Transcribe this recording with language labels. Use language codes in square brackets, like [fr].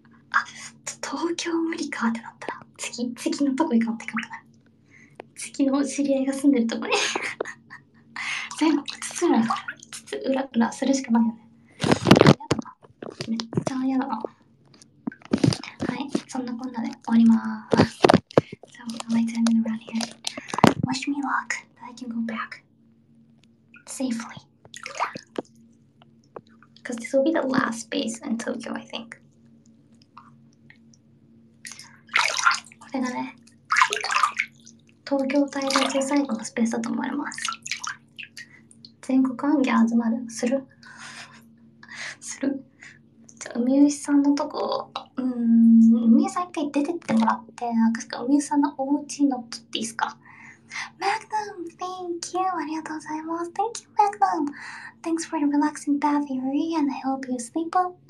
[ja] あ、東京無理かってなったら、次のとこ行かんといかんかなる。次の知り合いが住んでるとこに全部つつらつつうらうらするしかないよね。やだな、めっちゃやだな。はい、そんなこんなで終わりまーす。 [en] So I'm gonna turn it around here. Wish me luck that I can go back safely. Cause this will be the last base in Tokyo, I think. [ja] これがね、東京滞在中最後のスペースだと思われます。全国アンギャー集まる？する？する？じゃあ、海牛さんのとこ、海牛さん一回出てってもらって、なんか海牛さんのお家に乗っ取っていいですか？ [en] マグナム、Thank you! [ja] ありがとうございます。 [en] Thank you, マグナム !Thanks for the relaxing bath area and I hope you sleep well.